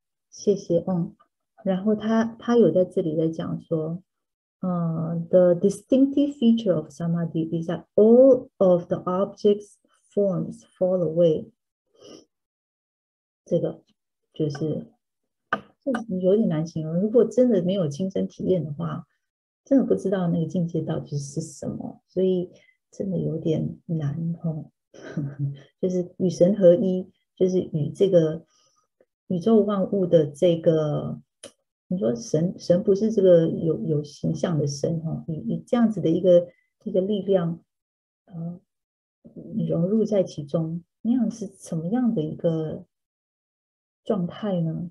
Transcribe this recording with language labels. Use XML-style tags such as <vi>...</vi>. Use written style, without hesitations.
<zh>谢谢。然后他有在这里在讲说</zh> <en>The distinctive feature of samadhi is that all of the object's forms fall away.</en> <zh>这个就是有点难形容，如果真的没有亲身体验的话，真的不知道那个境界到底是什么，所以真的有点难哦。就是与神合一，就是与这个宇宙万物的这个，你说神不是这个 有形象的神哦，与这样子的一个力量，融入在其中，那样是什么样的一个状态呢？</zh>